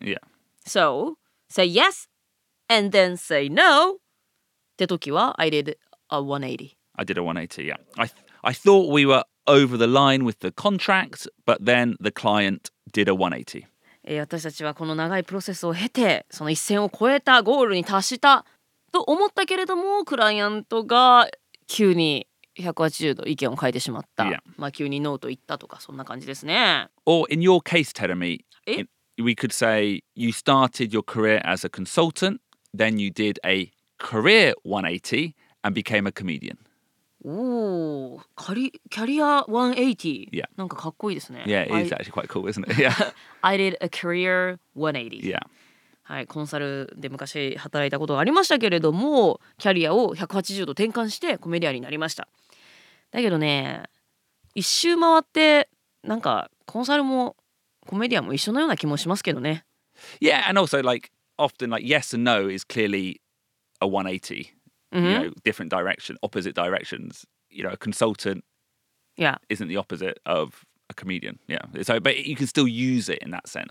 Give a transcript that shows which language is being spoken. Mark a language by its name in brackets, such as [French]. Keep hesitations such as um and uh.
[English] Yeah. So, say yes and then say no [Japanese] って時は [English] I did a 180. I did a 180, yeah. I, th- I thought we were over the line with the contract, but then the client did a 180. [Japanese] 私たちはこの長いプロセスを経て、その一線を越えたゴールに達したと思ったけれども、クライアントが急に180度意見を変えてしまった。 [English] <Yeah. [Japanese] S 2> まあ急にノーと言ったとか、そんな感じですね。 [English] Or in your case, Teremi, we could say you started your career as a consultant, then you did a career 180 and became a comedian. Oh, キャリア 180. Yeah. Yeah, it is actually quite cool, isn't it? Yeah. I did a career 180. Yeah. [Japanese] はい、コンサルで昔働いたことがありましたけれどもキャリアを180度転換してコメディアになりましただけどね一周回ってなんかコンサルもコメディアも一緒のような気もしますけどね [English] Yeah and also like often like yes and no is clearly a 180 mm-hmm. you know different direction opposite directions you know a consultant yeah isn't the opposite of a comedian yeah so but you can still use it in that sense